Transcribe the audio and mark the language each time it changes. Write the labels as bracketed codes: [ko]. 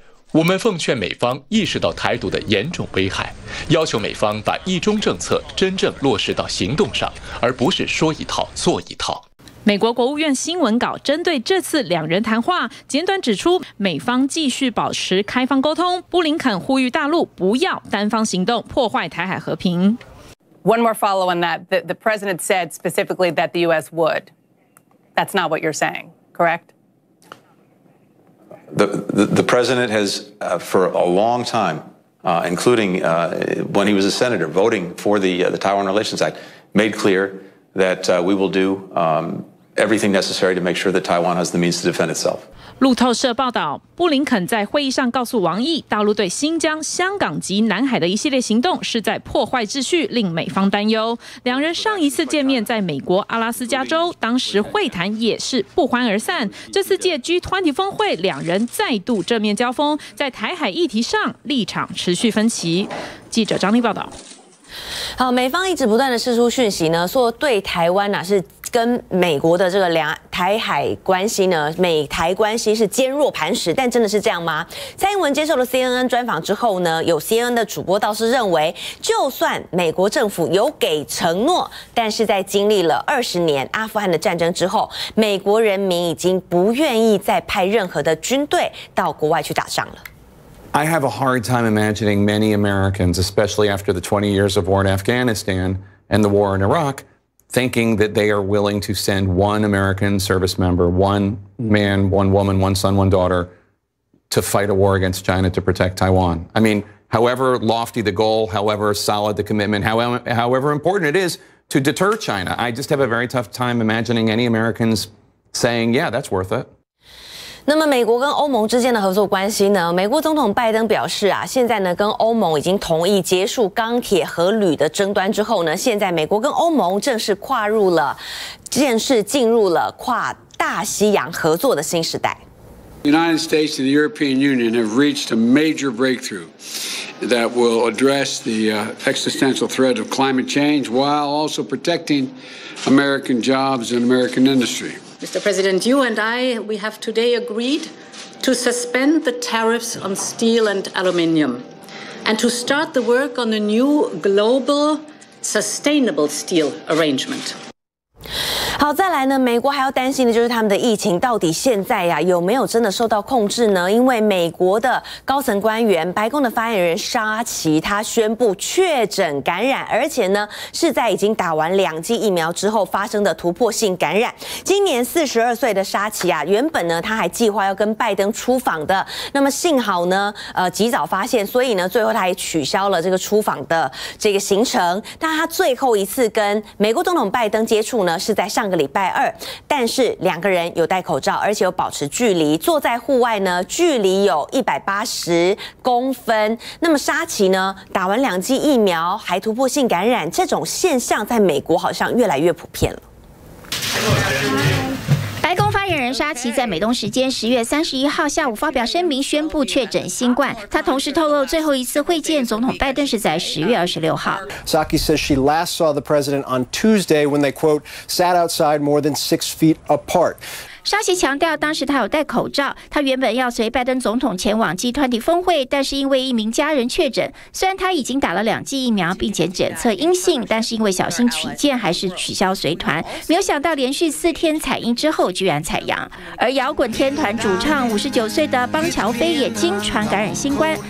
[zh] 我们奉劝美方意识到台独的严重危害，要求美方把一中政策真正落实到行动上，而不是说一套做一套。美国国务院新闻稿针对这次两人谈话简短指出，美方继续保持开放沟通，布林肯呼吁大陆不要单方行动破坏台海和平。 [en] One more follow on that. The president said specifically that the U.S. would. That's not what you're saying, correct? The president has for a long time, including when he was a senator voting for the Taiwan Relations Act, made clear that we will do everything necessary to make sure that Taiwan has the means to defend itself. [zh] 路透社报道，布林肯在会议上告诉王毅，大陆对新疆、香港及南海的一系列行动是在破坏秩序，令美方担忧。两人上一次见面在美国阿拉斯加州，当时会谈也是不欢而散。这次借 G20 峰会，两人再度正面交锋，在台海议题上立场持续分歧。记者张丽报道。好，美方一直不断的释出讯息呢，说对台湾是跟美国的这个台海关系呢，美台关系是坚若磐石，但真的是这样吗？蔡英文接受了 CNN 专访之后呢，有 CNN 的主播倒是认为，就算美国政府有给承诺，但是在经历了20年阿富汗的战争之后，美国人民已经不愿意再派任何的军队到国外去打仗了。 [en] I have a hard time imagining many Americans, especially after the 20 years of war in Afghanistan and the war in Iraq, thinking that they are willing to send one American service member, one man, one woman, one son, one daughter, to fight a war against China to protect Taiwan. I mean, however lofty the goal, however solid the commitment, however important it is to deter China, I just have a very tough time imagining any Americans saying, yeah, that's worth it. [zh] 那么美国跟欧盟之间的合作关系呢，美国总统拜登表示啊，现在呢跟欧盟已经同意结束钢铁和铝的争端之后呢，现在美国跟欧盟正式跨入了正式进入了跨大西洋合作的新时代。 [en] United States and the European Union have reached a major breakthrough that will address the existential threat of climate change while also protecting American jobs and American industry. Mr. President, you and I, we have today agreed to suspend the tariffs on steel and aluminium and to start the work on a new global sustainable steel arrangement. [zh] 好，再来呢，美国还要担心的就是他们的疫情到底现在呀有没有真的受到控制呢？因为美国的高层官员，白宫的发言人沙奇，他宣布确诊感染，而且呢是在已经打完两剂疫苗之后发生的突破性感染。今年42岁的沙奇啊，原本呢他还计划要跟拜登出访的，那么幸好呢及早发现，所以呢最后他也取消了这个出访的这个行程。但他最后一次跟美国总统拜登接触呢是在上个礼拜二，但是两个人有戴口罩，而且有保持距离，坐在户外呢，距离有180公分。那么沙奇呢，打完两剂疫苗还突破性感染，这种现象在美国好像越来越普遍了。白宫发言人沙奇在美东时间10月31号下午发表声明，宣布确诊新冠。他同时透露，最后一次会见总统拜登是在10月26号。 [en] Saki says she last saw the president on Tuesday when they quote sat outside more than 6 feet apart。 [zh] 沙奇强调，当时他有戴口罩。他原本要随拜登总统前往 G20 峰会，但是因为一名家人确诊，虽然他已经打了两剂疫苗，并且检测阴性，但是因为小心起见，还是取消随团。没有想到，连续4天采阴之后，居然采阳。而摇滚天团主唱59岁的邦乔菲也经传感染新冠。